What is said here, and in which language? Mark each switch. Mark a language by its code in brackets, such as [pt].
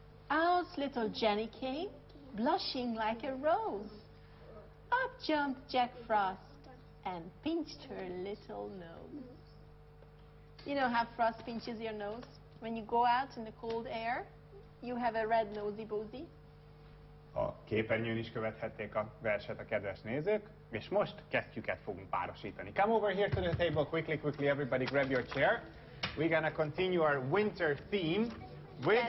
[en] Out little Jenny came, blushing like a rose. Up jumped Jack Frost and pinched her little nose. You know how Frost pinches your nose? When you go out in the cold air, you have a red nosy boozy. [hu] A képernyőn is követhették a verset a kedves nézők, és most kesztyüket fogunk párosítani. [en] Come over here to the table quickly, everybody grab your chair. We're gonna continue our winter theme with